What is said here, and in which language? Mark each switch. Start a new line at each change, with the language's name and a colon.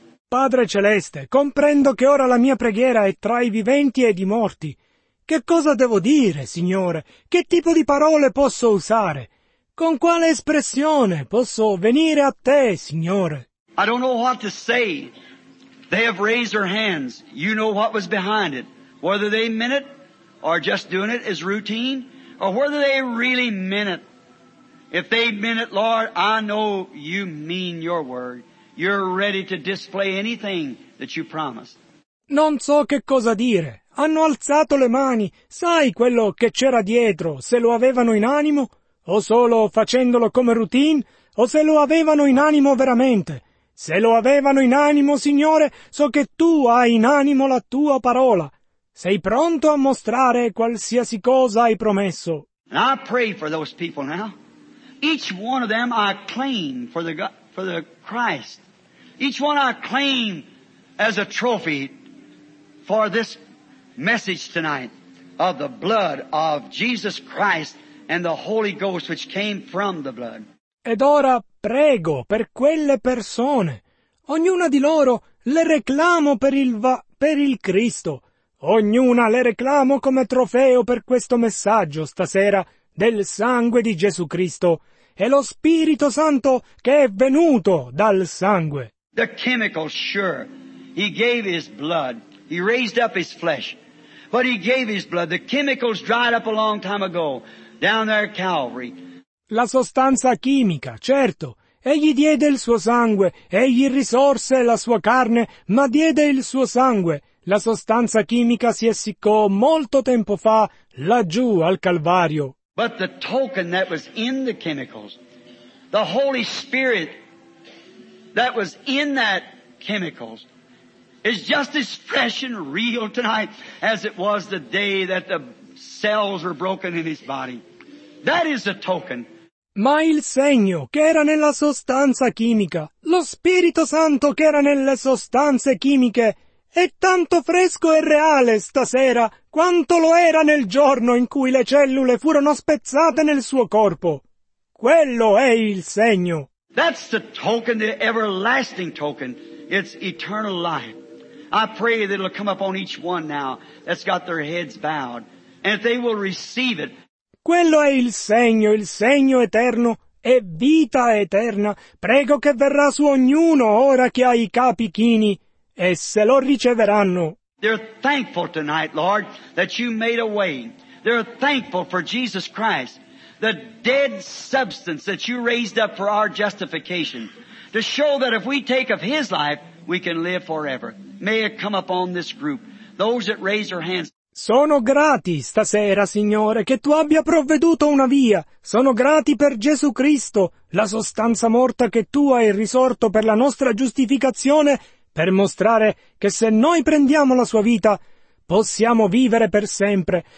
Italian: Padre Celeste, comprendo che ora la mia preghiera è tra i viventi ed i morti. Che cosa devo dire, Signore? Che tipo di parole posso usare? Con quale espressione posso venire a Te, Signore?
English: I don't know what to say. They have raised their hands. You know what was behind it. Whether they meant it, or just doing it as routine, or whether they really meant it. If they meant it, Lord, I know you mean your word. You're ready to display anything that you promised.
Italian: Non so che cosa dire. Hanno alzato le mani. Sai quello che c'era dietro, se lo avevano in animo, o solo facendolo come routine, o se lo avevano in animo veramente. Se lo avevano in animo, Signore, so che Tu hai in animo la Tua parola. Sei pronto a mostrare qualsiasi cosa hai promesso.
English: And I pray for those people now. Each one of them I claim for the Christ. Each one I claim as a trophy for this message tonight of the blood of Jesus Christ and the Holy Ghost which came from the blood.
Italian: Ed ora prego per quelle persone. Ognuna di loro le reclamo per il Cristo. Ognuna le reclamo come trofeo per questo messaggio stasera del sangue di Gesù Cristo. È lo Spirito Santo che è venuto dal sangue.
English: The chemical, sure. He gave His blood. He raised up His flesh. But He gave His blood. The chemicals dried up a long time ago, down there at Calvary.
Italian: La sostanza chimica, certo. Egli diede il suo sangue, egli risorse la sua carne, ma diede il suo sangue. La sostanza chimica si essiccò molto tempo fa, laggiù al Calvario.
English: But the token that was in the chemicals, the Holy Spirit that was in that chemicals, is just as fresh and real tonight as it was the day that the cells were broken in His body. That is a token.
Italian: Ma il segno che era nella sostanza chimica, lo Spirito Santo che era nelle sostanze chimiche, è tanto fresco e reale stasera quanto lo era nel giorno in cui le cellule furono spezzate nel suo corpo. Quello è il segno.
English: That's the token, the everlasting token. It's eternal life. I pray that it'll come upon each one now that's got their heads bowed, and that they will receive it.
Italian: Quello è il segno eterno è vita eterna. Prego che verrà su ognuno ora che ha i capi chini, e se lo riceveranno.
English: They're thankful tonight, Lord, that you made a way. They're thankful for Jesus Christ, the dead substance that you raised up for our justification, to show that if we take of His life, we can live forever. May it come upon this group, those that raise their hands.
Italian: Sono grati stasera, Signore, che Tu abbia provveduto una via. Sono grati per Gesù Cristo, la sostanza morta che Tu hai risorto per la nostra giustificazione, per mostrare che se noi prendiamo la sua vita, possiamo vivere per sempre.